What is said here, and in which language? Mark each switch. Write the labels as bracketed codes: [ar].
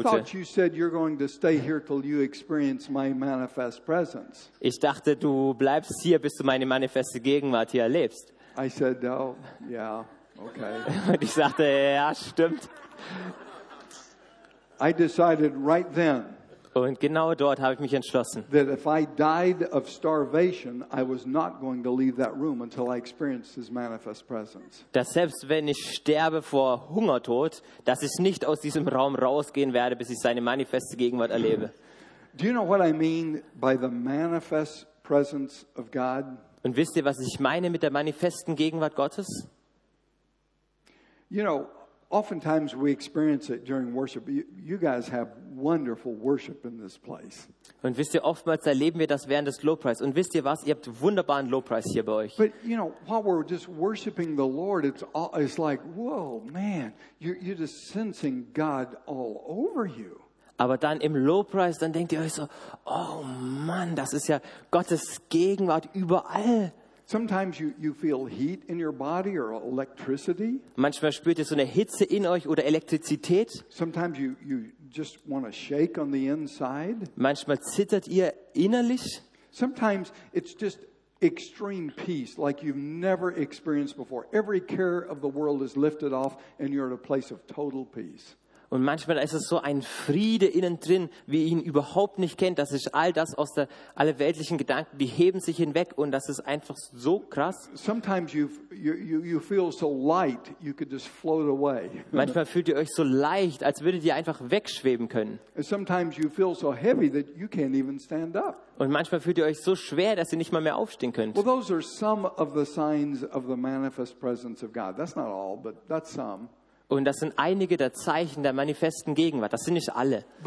[en] I thought you said you're going to stay here till you experience my manifest presence. [de] Ich dachte, du bleibst hier, bis du meine manifeste Gegenwart hier erlebst. [en] I said, oh, yeah, okay. [de] Und ich sagte, ja, stimmt. [en] I decided right then. [de] Und genau dort habe ich mich entschlossen. [en] That if I died of starvation, I was not going to leave that room until I experienced his manifest presence. [de] Dass selbst wenn ich sterbe vor Hungertod, dass ich nicht aus diesem Raum rausgehen werde, bis ich seine manifeste Gegenwart erlebe. [en] Do you know what I mean by the manifest presence of God? [de] Und wisst ihr, was ich meine mit der manifesten Gegenwart Gottes? [en] You know, oftentimes we experience it during worship. You guys have wonderful worship in this place. [de] Und wisst ihr, oftmals erleben wir das während des Lobpreis. Und wisst ihr was? Ihr habt wunderbaren Lobpreis hier bei euch. [en] But you know, while we're just worshiping the Lord, it's like, whoa, man, you're just sensing God all over you. [de] Aber dann im Lobpreis, dann denkt ihr euch so, oh man, das ist ja Gottes Gegenwart überall. [en] Sometimes you feel heat in your body or electricity. [de] Manchmal spürt ihr so eine Hitze in euch oder Elektrizität. [en] Sometimes you just want to shake on the inside. [de] Manchmal zittert ihr innerlich. [en] Sometimes it's just extreme peace like you've never experienced before. Every care of the world is lifted off and you're at a place of total peace. [de] Und manchmal ist es so ein Friede innen drin, wie ihn überhaupt nicht kennt, dass sich all das aus der alle weltlichen Gedanken, die heben sich hinweg und das ist einfach so krass. [en] Sometimes you feel so light, you could just float away. [de] Manchmal fühlt ihr euch so leicht, als würdet ihr einfach wegschweben können. [en] Sometimes you feel so heavy that you can't even stand up. [de] Und manchmal fühlt ihr euch so schwer, dass ihr nicht mal mehr aufstehen könnt. [en] Well, those are some of the signs of the manifest presence of God. That's not all, but that's some. [de] Und das sind einige der Zeichen der manifesten Gegenwart. Das sind nicht alle.